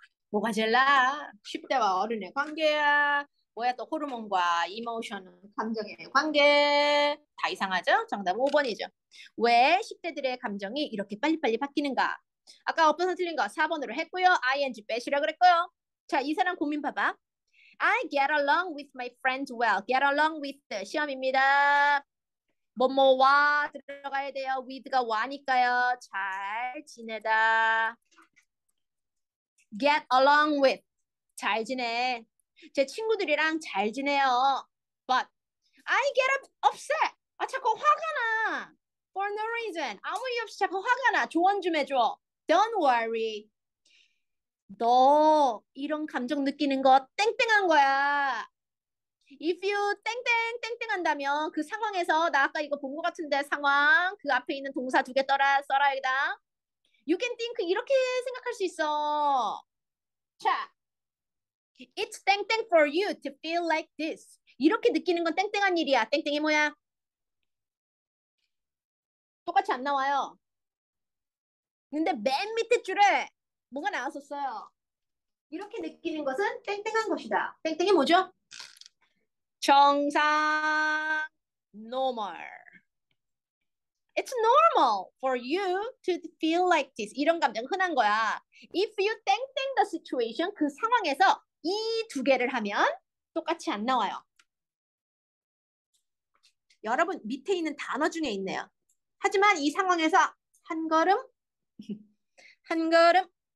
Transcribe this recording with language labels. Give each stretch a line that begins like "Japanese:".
Korean: 뭐가 젤라? 10대와 어른의 관계야. 뭐야 또 호르몬과 이모션 감정의 관계 다 이상하죠? 정답 5번이죠. 왜 10대들의 감정이 이렇게 빨리빨리 바뀌는가? 아까 어퍼서 틀린 거 4번으로 했고요. ing 빼시라 그랬고요. 자, 이 사람 고민 봐봐.
English: I get along with my friends well. Get along with
Korean: 시험입니다. 뭐뭐와 들어가야 돼요. with가 와니까요. 잘 지내다.
English: Get along with
Korean: 잘 지내. 제 친구들이랑 잘 지내요.
English: But I get upset.
Korean: 아, 자꾸 화가 나.
English: For no reason.
Korean: 아무 이유 없이 자꾸 화가 나. 조언 좀 해줘.
English: Don't worry.
Korean: 너 이런 감정 느끼는 거 땡땡한 거야. If you 땡땡 한다면 그 상황에서 나 아까 이거 본것 같은데 상황 그 앞에 있는 동사 두개 떠라 써라 여기다.
English: You can think
Korean: 이렇게 생각할 수 있어. 자.
English: It's 땡땡 for you to feel like this.
Korean: 이렇게 느끼는 건 땡땡한 일이야. 땡땡이 뭐야? 똑같이 안 나와요. 근데 맨 밑에 줄에 뭐가 나왔었어요. 이렇게 느끼는 것은 땡땡한 것이다. 땡땡이 뭐죠? 정상 노멀.
English: It's normal for you to feel like this.
Korean: 이런 감정 흔한 거야. If you 땡땡
English: the situation,
Korean: 그 상황에서 이두 개를 하면 똑같이 안 나와요. 여러분, 밑에 있는 단어 중에 있네요. 하지만 이 상황에서 한 걸음, 한 걸음.